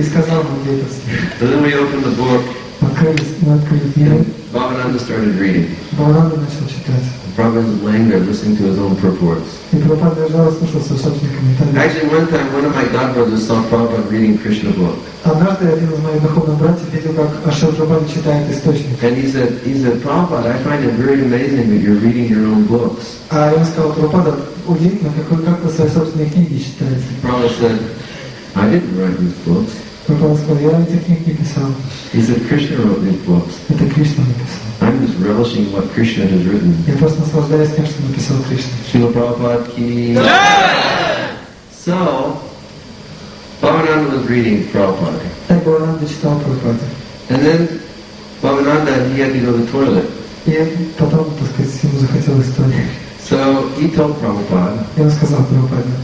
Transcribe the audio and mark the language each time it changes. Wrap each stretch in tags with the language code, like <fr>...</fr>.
<en>So then we opened the book. Bhavananda started reading. Prabhupada was laying there listening to his own purports. Actually, one time one of my god brothers saw Prabhupada reading Krishna book.</en> <ru>Однажды один из моих духовных братьев видел, как Ашил Прабхупада читает источник.</ru> <en>And he said, Prabhupada, I find it very amazing that you're reading your own books.</en> <ru>А я сказал, Прабхупада, удивительно, как вы как-то свои собственные книги читаете.</ru> <en>Prabhupada said, I didn't write these books.</en> <ru>Прабхупада сказал, я эти книги писал.</ru> <en>He said, Krishna wrote these books.</en> <ru>Это Кришна написал.</ru> <en>I'm just relishing what Krishna has written.</en> <ru>Я просто наслаждаюсь тем, что написал Кришна.</ru> <hi>Шрила Прабхупада ки.</hi> <en>So, Bhavananda was reading Prabhupada. And then Bhavananda, he had to go to the toilet. So he told Prabhupada.</en>